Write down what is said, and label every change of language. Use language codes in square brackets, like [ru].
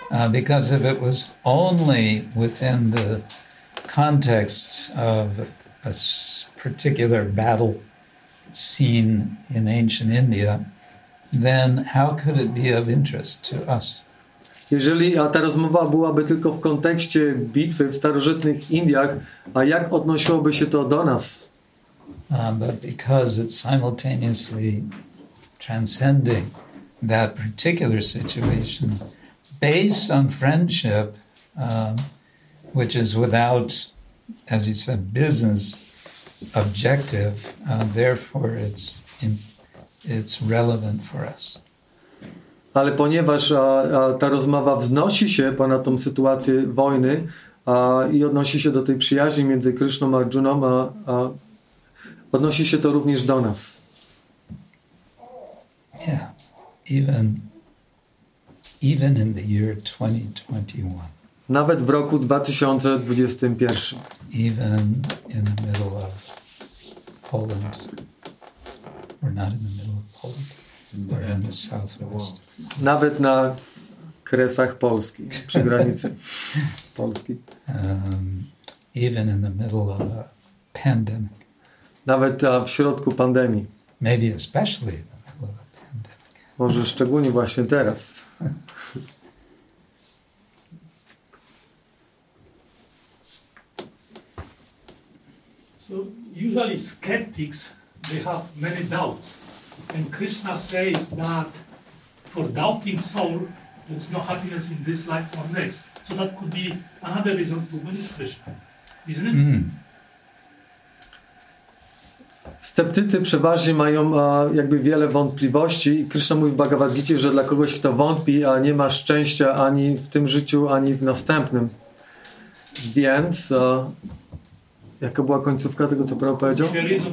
[en] Because if it was only within the context of a particular battle scene in ancient India, then how could it be of interest to us? [pl] Jeżeli ta rozmowa byłaby tylko w kontekście bitwy w starożytnych Indiach, a jak odnosiłoby się to do nas? [en] But because it's simultaneously transcending that particular situation, based on friendship, which is without, as you said, business objective, therefore it's relevant for us. [pl] Ale ponieważ ta rozmowa wznosi się ponad tą sytuację wojny i odnosi się do tej przyjaźni między Krishną a Arjuną, odnosi się to również do nas. [en] Yeah, even in the year 2021. [pl] Nawet w roku 2021. [en] Even in the middle of Poland. We're not in the middle of Poland. We're in the southwest. [pl] Nawet na kresach Polski, przy granicy Polski. [en] Even in the middle of a pandemic. [pl] Nawet w środku pandemii. [en] Maybe especially in the middle of a pandemic. [pl] Może szczególnie właśnie teraz. [en] So usually skeptics, they have many doubts. And Krishna says that for doubting soul, there's no happiness in this life or next. So that could be another reason to believe Krishna, isn't it? Mm. [pl] Sceptycy przeważnie mają jakby wiele wątpliwości i Krishna mówi w Bhagavad Gita, że dla kogoś, kto wątpi, a nie ma szczęścia ani w tym życiu, ani w następnym. Więc jaka była końcówka tego, co Prabhupada powiedział?